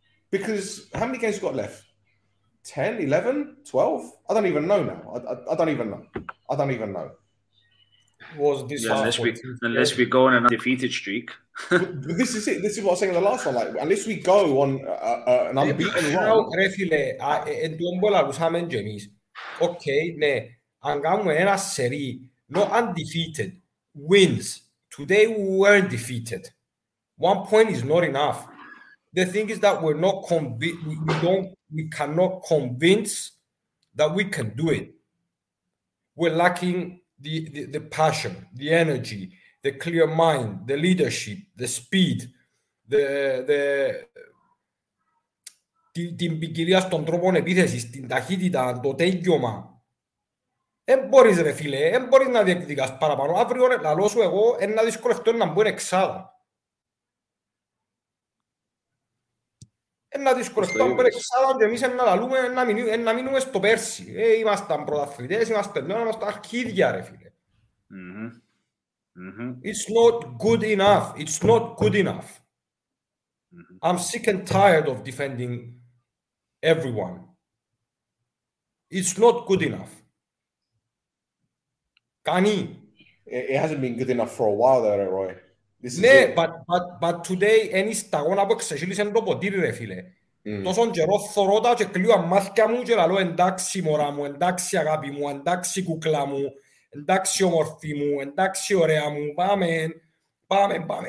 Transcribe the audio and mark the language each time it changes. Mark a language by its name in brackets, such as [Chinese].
[English] Because how many games have we got left? 10, 11, 12? I don't even know now. I don't even know. Unless we go on an undefeated streak. But this is it. This is what I was saying in the last one. Like, unless we go on an unbeaten run. No, [Greek] ρε φίλε, εν τον πόλα ακούσαμε και εμείς. Okay, ναι, αν κάνουμε ένα σερί, [English] not undefeated, wins. Today we weren't defeated. 1 point is not enough. The thing is that we're not convinced. We cannot convince that we can do it. We're lacking the passion, the energy, the clear mind, the leadership, the speed, the [Greek] ποικιλία στον τρόπο επίθεσης, την ταχύτητα, το τέγγιωμα. Δεν μπορείς ρε φίλε, δεν μπορείς να διεκδικάς παραπάνω. Αύριο λαλό σου εγώ, ένα δύσκολο αυτό είναι να μπουν εξάδα. Ένα δύσκολο αυτό που έχει σαν και εμείς να λαλούμε, να μείνουμε στο πέρσι. Είμασταν πρωταθλητές, είμαστε αρχίδια, ρε φίλε. [English] It's not good enough. It's not good enough. I'm sick and tired of defending everyone. It's not good enough. [Greek] Κανεί. [English] It hasn't been good enough for a while there, Roy. [Greek] Ναι, [English] but today, any [Greek] σταγόν από ξεχείλεις εν το ποτήρι, ρε φίλε. Τόσον καιρό θωρώτα και κλείω αμάθηκα μου και λαλώ εντάξει μωρά μου, εντάξει αγάπη μου, εντάξει κουκλά μου, εντάξει όμορφη μου, εντάξει ωραία μου, πάμε, πάμε, πάμε.